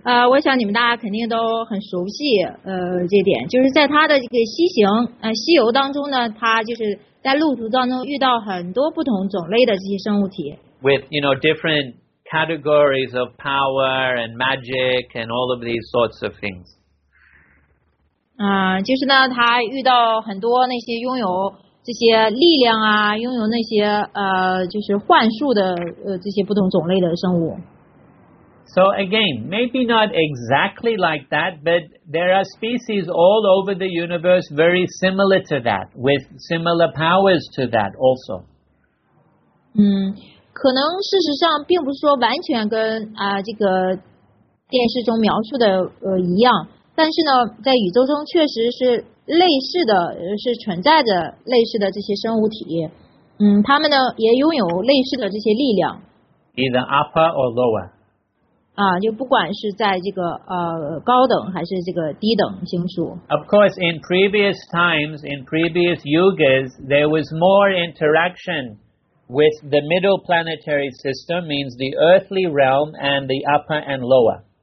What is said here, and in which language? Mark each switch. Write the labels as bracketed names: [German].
[Chinese] 我想你们大家肯定都很熟悉这点，就是在他的这个西行西游当中呢，他就是在路途当中遇到很多不同种类的这些生物体。 [English] With, you know, different categories of power and magic and all of these sorts of things. [Chinese] 就是呢，他遇到很多那些拥有这些力量啊，拥有那些就是幻术的这些不同种类的生物。 [English] So again, maybe not exactly like that, but there are species all over the universe very similar to that, with similar powers to that also. [Chinese] 可能事实上并不是说完全跟这个电视中描述的一样，但是呢，在宇宙中确实是类似的，是存在着类似的这些生物体。他们呢也拥有类似的这些力量。 [English] Either upper or lower. [Chinese] 啊，就不管是在这个高等还是这个低等星宿。 [English] Of course, in previous times, in previous yugas, there was more interaction with the middle planetary system, means the earthly realm and the upper and lower.